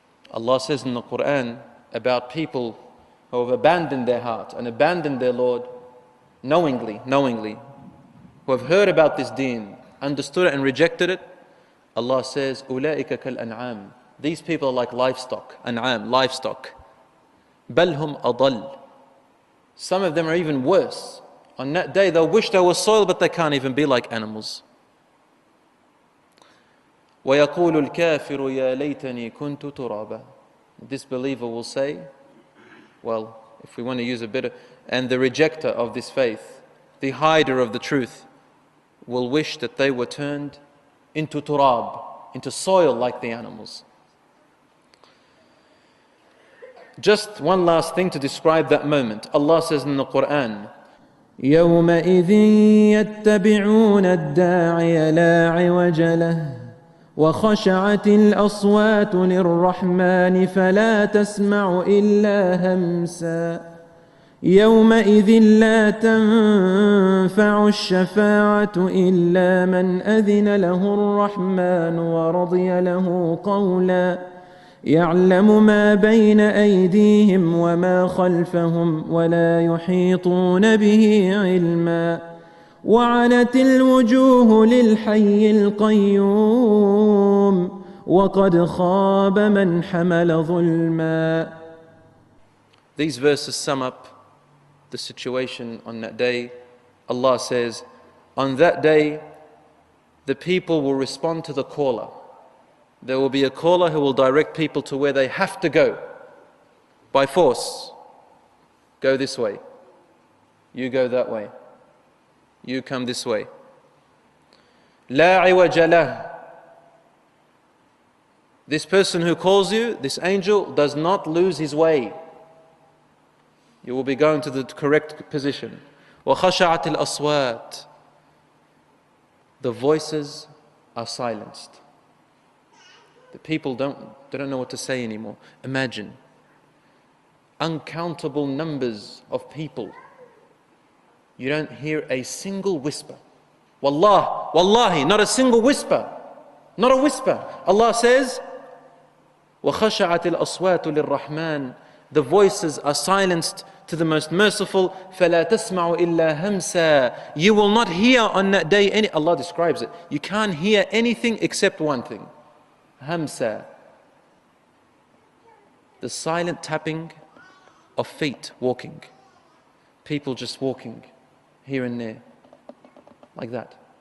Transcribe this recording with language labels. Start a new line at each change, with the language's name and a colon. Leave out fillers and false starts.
English: Allah says in the Quran about people who have abandoned their heart and abandoned their Lord knowingly, who have heard about this deen, understood it and rejected it. Allah says,
Arabic: أُولَٰئِكَ كَالْأَنْعَامِ.
English: These people are like livestock, an'am, livestock.
Arabic: بَلْ هُمْ أَضَلْ.
English: Some of them are even worse. On that day, they'll wish they were soil, but they can't even be like animals.
Arabic: وَيَقُولُ الْكَافِرُ يَا لَيْتَنِي كُنْتُ تُرَابًا.
English: This believer will say, well, if we want to use a bit of, and the rejecter of this faith, the hider of the truth, will wish that they were turned into turab, into soil like the animals. Just one last thing to describe that moment. Allah says in the Quran,
Arabic: يَوْمَئِذٍ يَتَّبِعُونَ الدَّاعِيَ لَا عِوَجَ لَهُ وَخَشَعَتِ الْأَصْوَاتُ لِلرَّحْمَنِ فَلَا تَسْمَعُ إِلَّا هَمْسًا يَوْمَئِذٍ لَا تَنْفَعُ الشَّفَاعَةُ إِلَّا مَنْ أَذِنَ لَهُ الرَّحْمَنُ وَرَضِيَ لَهُ قَوْلًا يعلم ما بين أيديهم وما خلفهم ولا يحيطون به علما وعنت الوجوه للحي القيوم وقد خاب من حمل ظلما.
English: These verses sum up the situation on that day. Allah says, on that day, the people will respond to the caller. There will be a caller who will direct people to where they have to go by force. Go this way. You go that way. You come this way.
Arabic: La عِوَجَ لَهُ.
English: This person who calls you, this angel, does not lose his way. You will be going to the correct position.
Arabic: وَخَشَعَتِ الْأَصْوَاتِ.
English: The voices are silenced. The people don't know what to say anymore. Imagine uncountable numbers of people. You don't hear a single whisper. Wallahi, wallahi, not a single whisper. Not a whisper. Allah says,
Arabic: وَخَشَعَتِ الْأَصْوَاتُ لِلرَّحْمَانِ.
English: The voices are silenced to the most merciful.
Arabic: فَلَا تَسْمَعُ إِلَّا هَمْسًا.
English: You will not hear on that day any... Allah describes it. You can't hear anything except one thing. Hamsa, the silent tapping of feet walking, people just walking here and there, like that.